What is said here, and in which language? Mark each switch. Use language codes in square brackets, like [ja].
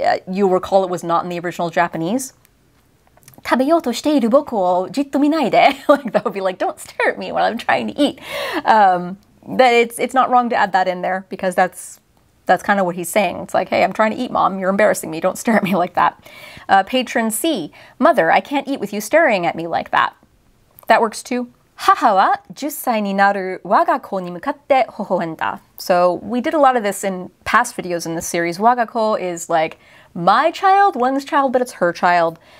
[en] You'll recall it was not in the original Japanese. Like, that would be like, don't stare at me while I'm trying to eat. But it's not wrong to add that in there because that's kind of what he's saying. It's like, hey, I'm trying to eat, Mom. You're embarrassing me. Don't stare at me like that. Patron C, Mother, I can't eat with you staring at me like that. That works too. [ja] 母は10歳になる我が子に向かって微笑んだ. [en] So we did a lot of this in past videos in this series. 我が子 is like my child, one's child, but it's her child.